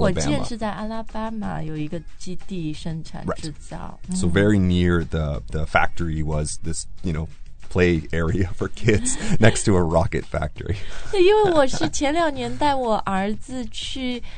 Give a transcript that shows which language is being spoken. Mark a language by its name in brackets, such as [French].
[Chinese] 火箭是在阿拉巴马有一个基地生产制造。 [English] Right. So very near the factory was this, you know, play area for kids next to a rocket factory. [Chinese] 对，因为我是前两年带我儿子去